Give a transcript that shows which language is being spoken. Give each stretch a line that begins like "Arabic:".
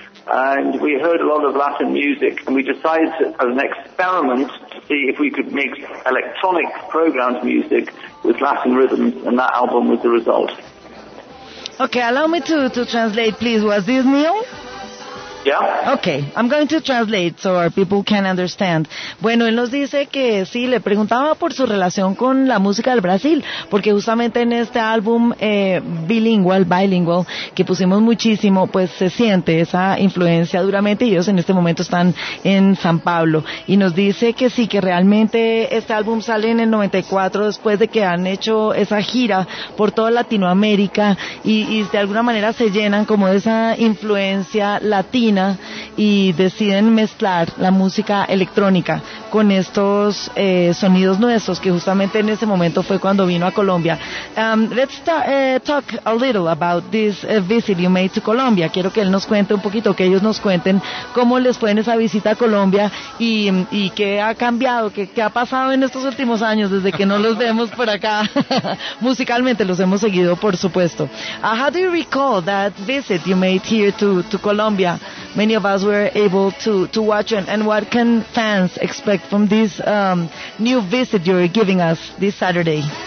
English: And we heard a lot of Latin music, and we decided to, as an experiment, to see if we could mix electronic programmed music with Latin rhythms, and that album was the result. Okay, allow me to translate, please. Was this Neil? Yeah. Okay, I'm going to translate so our people can understand.
Spanish: Bueno, él nos dice que sí, le preguntaba por su relación con la música del Brasil, porque justamente en este álbum bilingual, que pusimos muchísimo, pues se siente esa influencia duramente, y ellos en este momento están en San Pablo. Y nos dice que sí, que realmente este álbum sale en el 94 después de que han hecho esa gira por toda Latinoamérica y de alguna manera se llenan como de esa influencia latina y deciden mezclar la música electrónica con estos sonidos nuestros, que justamente en ese momento fue cuando vino a Colombia.
English: Let's talk a little about this visit you made to Colombia.
Spanish: Quiero que él nos cuente un poquito, que ellos nos cuenten cómo les fue en esa visita a Colombia y qué ha cambiado, qué ha pasado en estos últimos años desde que no los vemos por acá. Musicalmente los hemos seguido, por supuesto.
English: How do you recall that visit you made here to Colombia? Many of us were able to watch it. And what can fans expect from this new visit you're giving us this Saturday?